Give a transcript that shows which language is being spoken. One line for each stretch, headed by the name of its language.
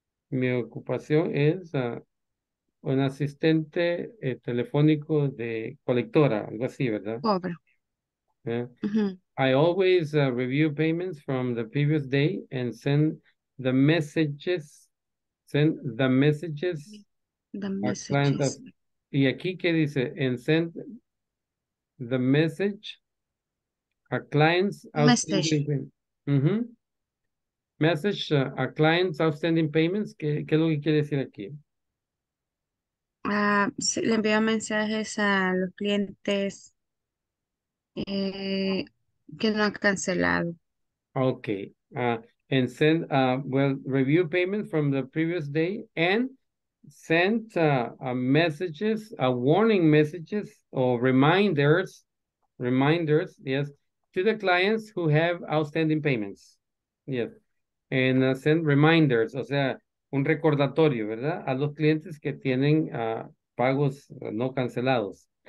Spanish: Mi ocupación es un asistente telefónico de colectora, algo así, ¿verdad? Pobre.
English: Yeah. Mm-hmm. I always review payments from the previous day and send the messages.
Spanish: Y aquí, ¿qué dice?
English: And send the message a client's outstanding payment. Mm-hmm. Message a client's outstanding payments.
Spanish: ¿Qué es lo que quiere decir aquí? Le envío mensajes a los clientes que no han cancelado.
English: Okay. And send review payment from the previous day and send messages, warning messages or reminders, yes, to the clients who have outstanding payments. Yes. And send reminders,
Spanish: o sea, un recordatorio, ¿verdad? A los clientes que tienen pagos no cancelados.